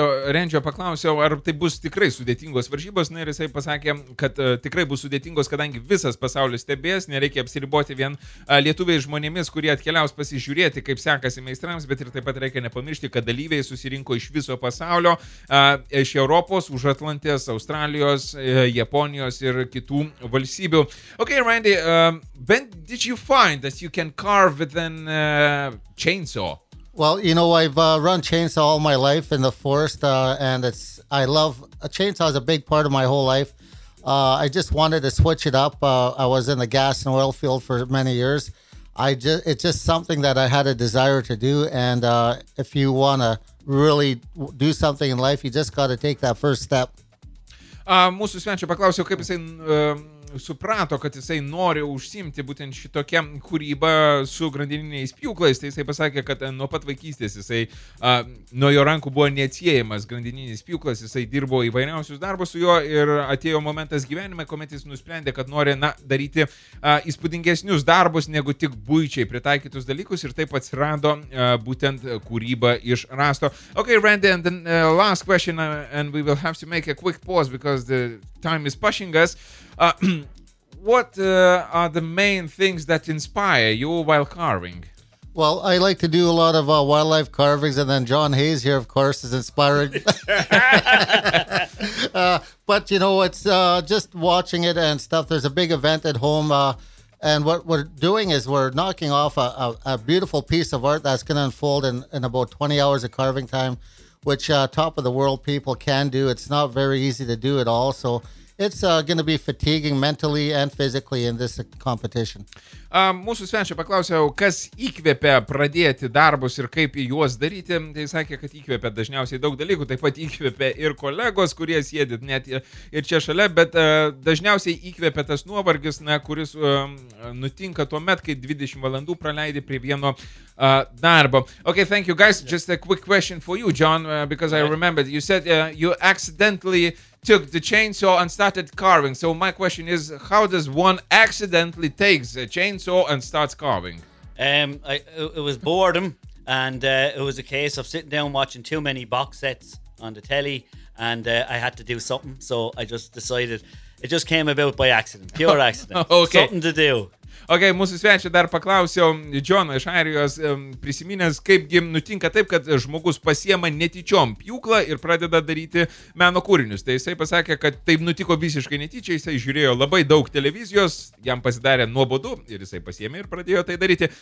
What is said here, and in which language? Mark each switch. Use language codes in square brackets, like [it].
[lt] Randio paklausiau, ar tai bus tikrai sudėtingos varžybos, na ir jisai pasakė, kad tikrai bus sudėtingos, kadangi visas pasaulis stebės, nereikia apsiriboti vien lietuviai žmonėmis, kurie atkeliaus pasižiūrėti, kaip sekasi meistrams, bet ir taip pat reikia nepamiršti, kad dalyviai susirinko iš viso pasaulio, iš Europos, už Atlantės, Australijos, Japonijos ir kitų valstybių. [en] Okay, Randy, when did you find that you can carve with a chainsaw? Well, you know, I've run chainsaw all my life in the forest, and chainsaw is a big part of my whole life. I just wanted to switch it up. I was in the gas and oil field for many years. It's just something that I had a desire to do, and if you want to really do something in life, you just got to take that first step. [lt] Mūsų svečio paklausiau, kaip jisai suprato, kad jisai nori užsiimti būtent šitokią kūrybą su grandininiais pjūklais. Tai jisai pasakė, kad nuo pat vaikystės jisai nuo jo rankų buvo neatsiejamas grandininis pjūklas, jisai dirbo įvairiausius darbus su juo ir atėjo momentas gyvenime, kuomet jis nusprendė, kad nori daryti įspūdingesnius darbus negu tik buičiai pritaikytus dalykus ir taip atsirado būtent kūryba iš rasto. [en] Okay, Randy, and then last question and we will have to make a quick pause because the time is pushing us. What are the main things that inspire you while carving? Well, I like to do a lot of wildlife carvings, and then John Hayes here, of course, is inspiring. but, you know, it's just watching it and stuff. There's a big event at home, and what we're doing is we're knocking off a beautiful piece of art that's going to unfold in about 20 hours of carving time, which top of the world people can do. It's not very easy to do at all, so... It's going to be fatiguing mentally and physically in this competition. [lt] Mūsų svečio paklausiau, kas įkvėpė pradėti darbus ir kaip juos daryti. Tai sakė, kad įkvėpė dažniausiai daug dalykų, taip pat įkvėpė ir kolegos, kurie sėdė net ir čia šalia, bet dažniausiai įkvėpė tas nuovargis, na, kuris nutinka tuo met, kai 20 valandų praleidė prie vieno darbo. [en] Okay, thank you guys. Yeah. Just a quick question for you, John, because I remembered. You said you accidentally... took the chainsaw and started carving. So my question is, how does one accidentally takes a chainsaw and starts carving? It was boredom, and it was a case of sitting down watching too many box sets on the telly, and I had to do something, so I just decided. It just came about by accident, pure accident. Okay. Something to do. [lt] Okay, mūsų svečio dar paklausiau Džono iš Airijos, prisiminęs, kaipgi nutinka taip, kad žmogus pasiema netyčiom pjūklą ir pradeda daryti meno kūrinius. Tai jisai pasakė, kad taip nutiko visiškai netyčiai, jisai žiūrėjo labai daug televizijos, jam pasidarė nuobodu ir jisai pasiemė ir pradėjo tai daryti.